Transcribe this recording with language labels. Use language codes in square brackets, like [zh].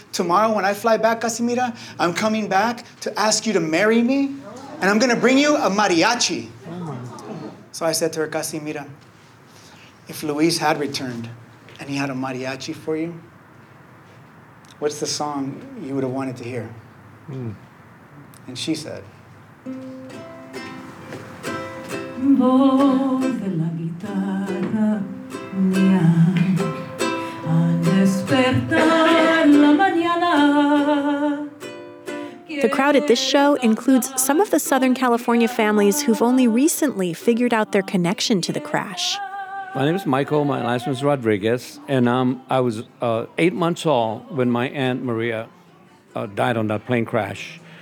[en] Tomorrow when I fly back, Casimira, I'm coming back to ask you to marry me, and I'm going to bring you a mariachi. So I said to her, Casimira, if Luis had returned and he had a mariachi for you, what's the song you would have wanted to hear? Mm. And she said, [es] voz de la guitarra mía al despertar la mañana. [en] The crowd at this show includes some of the Southern California families who've only recently figured out their connection to the crash. My name is Michael. My last name is Rodriguez. And I was 8 months old when my Aunt Maria died on that plane crash.